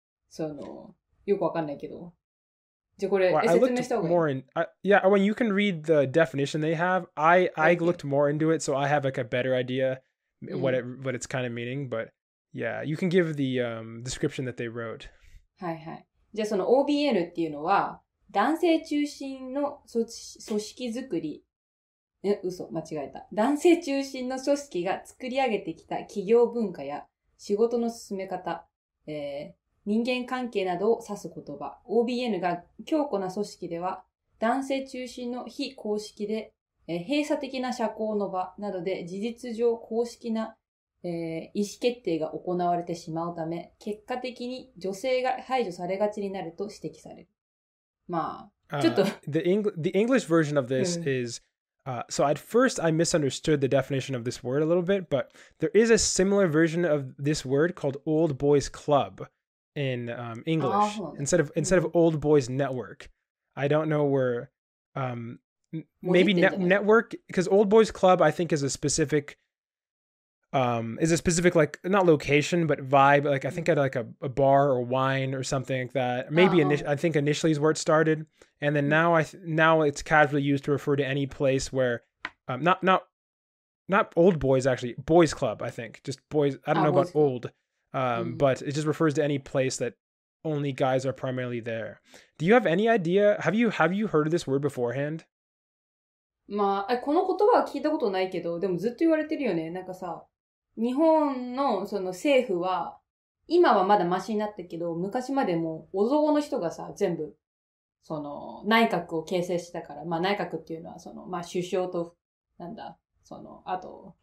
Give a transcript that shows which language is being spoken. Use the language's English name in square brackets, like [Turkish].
[Japanese] その、よくわかんないけど。 [English] When you can read the definition they have, I looked more into it, so I have like a better idea what it's kind of meaning. But yeah, you can give the description that they wrote. [Japanese] はいはい。じゃあその OBN っていうのは男性中心の組織作り。嘘、間違えた。男性中心の組織が作り上げてきた企業文化や仕事の進め方。人間関係などを指す言葉。OBN が強固な組織では、男性中心の非公式で、閉鎖的な社交の場などで事実上公式な、意思決定が行われてしまうため、結果的に女性が排除されがちになると指摘される。まあ、ちょっと。 [English] The English version of this is, so at first I misunderstood the definition of this word a little bit, but there is a similar version of this word called Old Boys Club. In English, instead of old boys network, I don't know where, maybe network, because old boys club, I think is a specific, like not location, but vibe. Like I think at like a bar or wine or something like that, maybe I think initially is where it started. And then now it's casually used to refer to any place where, not old boys, actually boys club, I think just boys. I don't know about old. But it just refers to any place that only guys are primarily there. Do you have any idea? Have you heard of this word beforehand? [Japanese] まあ、この言葉は聞いたことないけど、でもずっと言われてるよね。なんかさ、日本のその政府は、今はまだマシになったけど、昔までもうおぞごの人がさ、全部、その内閣を形成したから、まあ内閣っていうのはその、まあ首相と、なんだ、その、あと、